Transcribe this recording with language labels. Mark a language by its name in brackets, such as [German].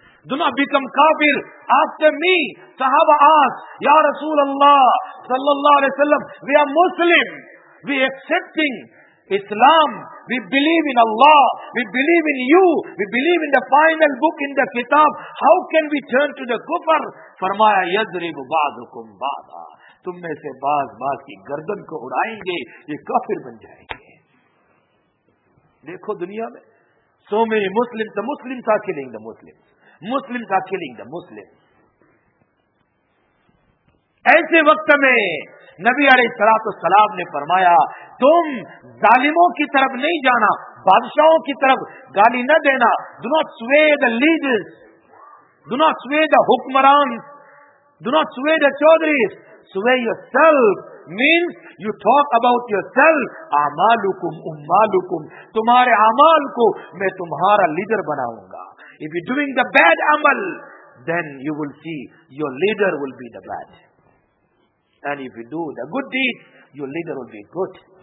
[English] دو نہ بیکم کافر after me. صحابہ آس یا رسول اللہ صلی اللہ علیہ وسلم، we are Muslim, we accepting Islam, we believe in Allah, we believe in you, we believe in the final book in the kitab, how can we turn to the kufr? [Urdu] فرمایا [Arabic] یضرب بعضکم بعضا، [Urdu] تم میں سے بعض بعض کی گردن کو اڑائیں گے، یہ کافر بن جائیں گے. دیکھو دنیا میں [English] So many Muslim, تو Muslim تھا killing the Muslim, Muslim تھا کلنگ دا مسلم. [Urdu] ایسے وقت میں نبی علیہ الصلوۃ والسلام نے فرمایا، تم ظالموں کی طرف نہیں جانا، بادشاہوں کی طرف گالی نہ دینا. [English] Do not sway the leaders, do not sway the حکمرانز, do not sway the چودھریز. Sway yourself means you talk about yourself. [Arabic] اعمالکم اعمالکم، [Urdu] تمہارے اعمال کو میں تمہارا لیڈر بناؤں گا. [English] If you're doing the bad amal, then you will see your leader will be the bad. And if you do the good deed, your leader will be good.